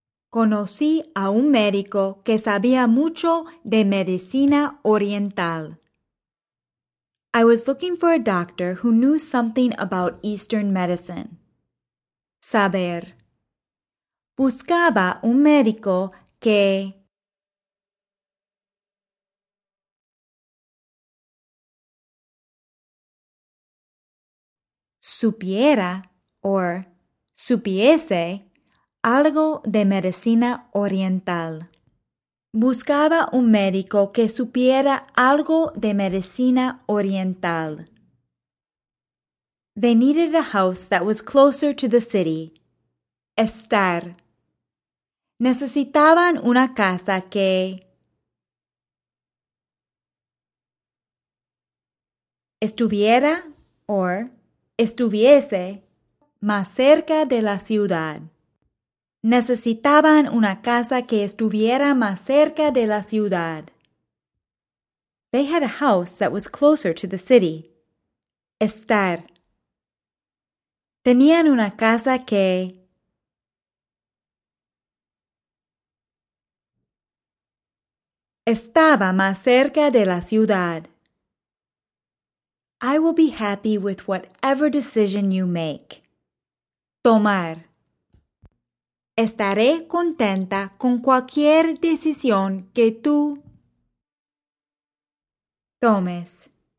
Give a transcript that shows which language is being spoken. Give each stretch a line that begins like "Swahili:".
Spanish: Conocí a un médico que sabía mucho de medicina oriental.
English: I was looking for a doctor who knew something about Eastern medicine.
Spanish: Saber. Buscaba un médico que... supiera
English: or
Spanish: supiese algo de medicina oriental. Buscaba un médico que supiera algo de medicina oriental.
English: They needed a house that was closer to the city.
Spanish: Estar. Necesitaban una casa que... estuviera
English: or...
Spanish: estuviese más cerca de la ciudad. Necesitaban una casa que estuviera más cerca de la ciudad.
English: They had a house that was closer to the city.
Spanish: Estar. Tenían una casa que... estaba más cerca de la ciudad.
English: I will be happy with whatever decision you make.
Spanish: Tomar. Estaré contenta con cualquier decisión que tú tomes.